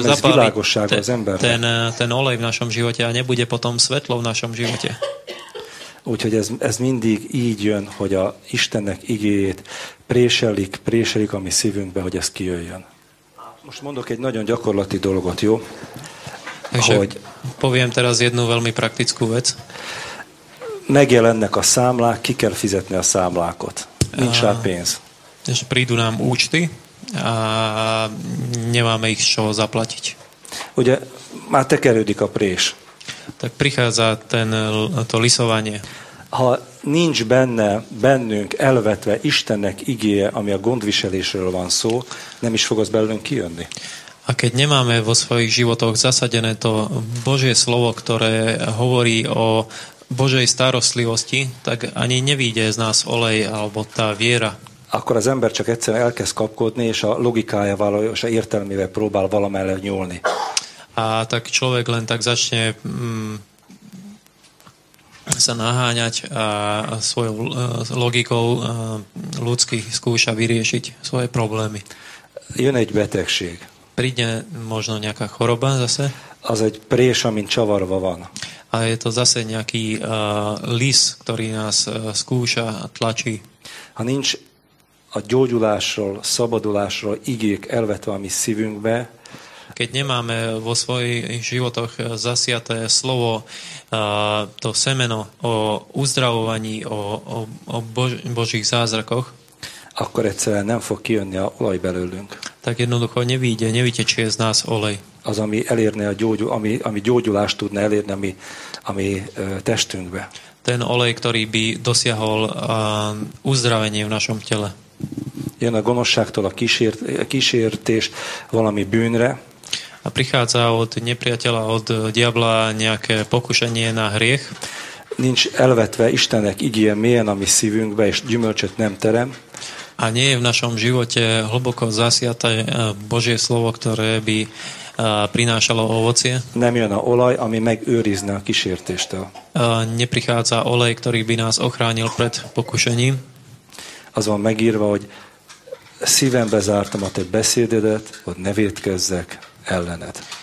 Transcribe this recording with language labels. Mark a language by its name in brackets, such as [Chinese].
[Hungarian] nem lesz világosság az emberbe. [Slovak] Ten olej v našom živote a nebude potom svetlo v našom živote. [Hungarian] Úgyhogy ez mindig így jön, hogy a Istennek igéjét préselik a mi szívünkbe, hogy ez kijöjjön. Most mondok egy nagyon gyakorlati dolgot, jó? [Slovak] Takže hogy poviem teraz jednu veľmi praktickú vec. [Hungarian] megjelennek a számlák, ki kell fizetni a számlákat. Nincs rá pénz. [Slovak] És prídu nám účty a nemáme ich čo zaplatiť. [Hungarian] Ugye, már tekerődik a prés. [Slovak] Tak prichádza ten, to lisovanie. [Hungarian] Ha nincs benne, bennünk elvetve Istennek igéje, ami a gondviselésről van szó, nem is fog az belőlünk kijönni. [Slovak] A keď nemáme vo svojich životoch zasadené to Božie slovo, ktoré hovorí o Božej starostlivosti, tak ani nevíde z nás olej alebo tá viera. [Hungarian] Akkor az ember csak egyszerűen elkezd kapkodni, és a logikájával és a értelmével próbál valamelyre nyúlni. [Slovak] A tak človek len tak začne sa naháňať a svojou logikou ľudský skúša vyriešiť svoje problémy. [Hungarian] Jön egy betegség. [Slovak] Príde možno nejaká choroba zase. [Hungarian] Az egy prés, amin csavarva van. [Slovak] A je to zase nejaký lis, ktorý nás skúša a tlačí. [Hungarian] Ha nincs a gyógyulásról, szabadulásról igék elvetve a mi szívünkbe. [Slovak] Keď nemáme vo svojich životoch zasiaté slovo, to semeno o uzdravovaní, o božích zázrakoch, [Hungarian] akkor egyszerűen nem fog kijönni a olaj belőlünk. [Slovak] Tak jednoducho nevíde, nevítečie z nás olej. [Hungarian] Az, ami elérne a gyógyul, ami gyógyulást tudna elérni ami testünkbe. [Slovak] Ten olej, ktorý by dosiahol uzdravenie v našom tele. [Hungarian] Jön a gonoszságtól a kísértés valami bűnre. [Slovak] A prichádza od nepriateľa, od diabla nejaké pokušenie na hriech. [Hungarian] Nincs elvetve Istennek igéje mélyen a mi szívünkbe, és gyümölcsöt nem terem. [Slovak] A nie je v našom živote hlboko zasiaté Božie slovo, ktoré by prinášalo ovocie. [Hungarian] Nem jön a olaj, ami megőrizne a kísértéstől. [Slovak] Neprichádza olej, ktorý by nás ochránil pred pokušením. [Hungarian] Az van megírva, hogy szívembe zártam a te beszédedet, hogy ne vétkezzek ellened.